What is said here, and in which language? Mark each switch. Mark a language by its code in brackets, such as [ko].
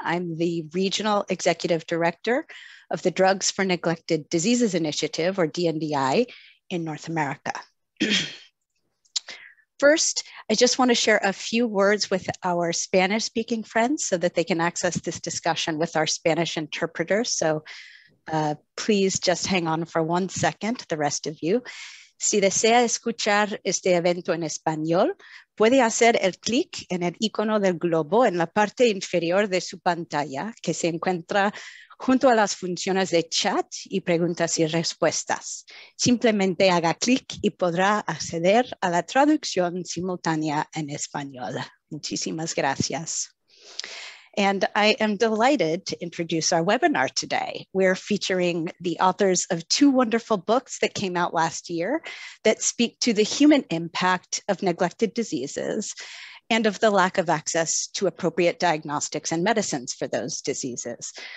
[en] I'm the Regional Executive Director of the Drugs for Neglected Diseases Initiative, or DNDi, in North America. First, I just want to share a few words with our Spanish-speaking friends so that they can access this discussion with our Spanish interpreter. So please just hang on for 1 second, the rest of you. [es] Si desea escuchar este evento en español, puede hacer el clic en el icono del globo en la parte inferior de su pantalla, que se encuentra junto a las funciones de chat y preguntas y respuestas. Simplemente haga clic y podrá acceder a la traducción simultánea en español. Muchísimas gracias. [en] And I am delighted to introduce our webinar today. We're featuring the authors of two wonderful books that came out last year that speak to the human impact of neglected diseases and of the lack of access to appropriate diagnostics and medicines for those diseases.